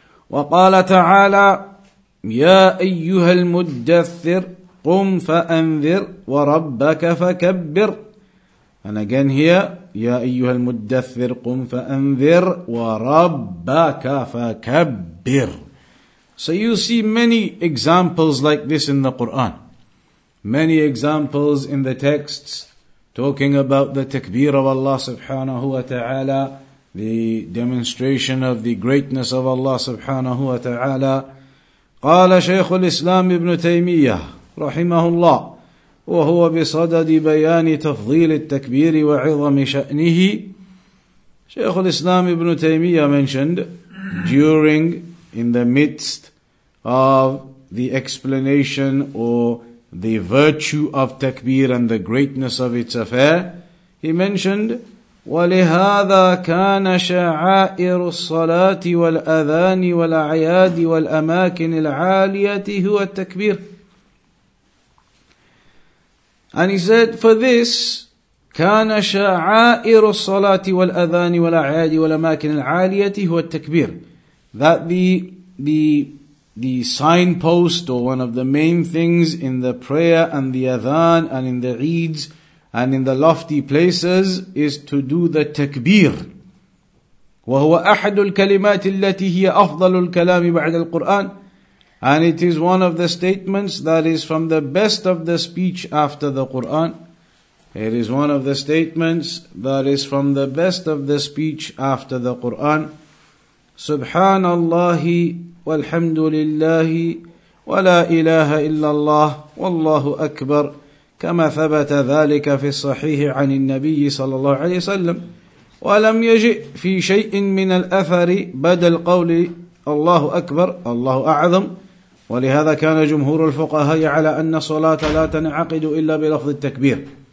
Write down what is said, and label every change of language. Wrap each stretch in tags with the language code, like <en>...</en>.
<ar>وقال تعالى يا أيها المدثر قم فأنذر وربك فكبر.</ar> <en>And again here,</en> <ar>يا أيها المدثر قم فأنذر وربك فكبر.</ar> <en>So you see many examples like this in the Quran. Many examples in the texts talking about the takbir of Allah</en> <ar>subhanahu wa ta'ala,</ar> <en>the demonstration of the greatness of Allah</en> <ar>subhanahu wa ta'ala. قال شيخ الإسلام ابن تيمية رحمه الله وهو بصدد بيان تفضيل التكبير وعظم شأنه.</ar> <en>شيخ الإسلام ابن تيمية mentioned during, in the midst of the explanation or the virtue of takbir and the greatness of its affair, he mentioned,</en> <ar>وَلِهَذَا كَانَ شَعَائِرُ الصَّلَاةِ وَالْأَذَانِ وَالْأَعْيَادِ وَالْأَمَاكِنِ الْعَالِيَةِ هُوَ التَّكْبِيرِ.</ar> <en>And he said, for this,</en> <ar>كَانَ شَعَائِرُ الصَّلَاةِ وَالْأَذَانِ وَالْأَعْيَادِ وَالْأَمَاكِنِ الْعَالِيَةِ هُوَ التَّكْبِيرِ.</ar> <en>That the signpost, or one of the main things in the prayer and the adhan and in the eids and in the lofty places, is to do the takbir.</en> <ar>وهو أحد الكلمات التي هي أفضل الكلام بعد القرآن.</ar> <en>And it is one of the statements that is from the best of the speech after the Quran. It is one of the statements that is from the best of the speech after the Quran.</en> <ar>سبحان الله والحمد لله ولا إله إلا الله والله أكبر كما ثبت ذلك في الصحيح عن النبي صلى الله عليه وسلم ولم يجئ في شيء من الأثر بدل قول الله أكبر الله أعظم ولهذا كان جمهور الفقهاء على أن الصلاة لا تنعقد إلا بلفظ التكبير</ar>